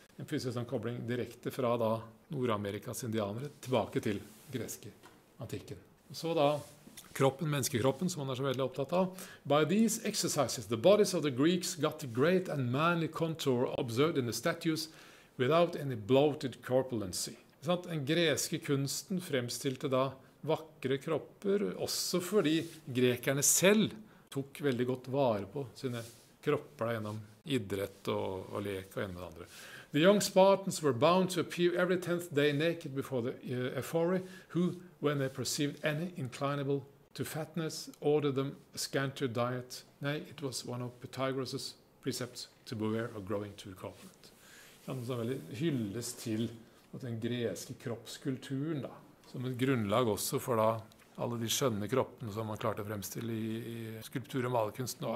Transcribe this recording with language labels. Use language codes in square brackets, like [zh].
[no] En fysisk kobling direkte fra da Nord-Amerikas indianere tilbake til greske antikken. Så da, kroppen, menneskekroppen, som han er så veldig opptatt av. [en] By these exercises, the bodies of the Greeks got the great and manly contour observed in the statues without any bloated corpulency. [no] Den greske kunsten fremstilte da vakre kropper, også fordi grekerne selv tok veldig godt vare på sine kropper gjennom idrett og lek og gjennom det andre. [en] The young Spartans were bound to appear every tenth day naked before the ephori, who, when they perceived any inclinable to fatness, ordered them a scanter diet. Nay, it was one of Pythagoras' precepts to beware of growing too corpulent. [no] Han så veldig hylles til den greske kroppskulturen, da, som et grunnlag også for da, alle de skjønne kroppene som man klarte å fremstille i skulptur- og malekunsten.